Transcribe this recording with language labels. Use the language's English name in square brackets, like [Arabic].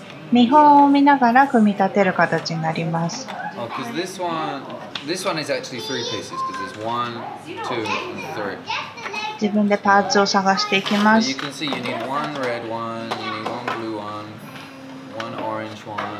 [Japanese] 見本を見ながら組み立てる形になります。 [English] Oh, because this one is actually three pieces, because there's one, two, and three. [Japanese] 自分でパーツを探していきます。 [English] You can see you need one red one, you need one blue one, one orange one.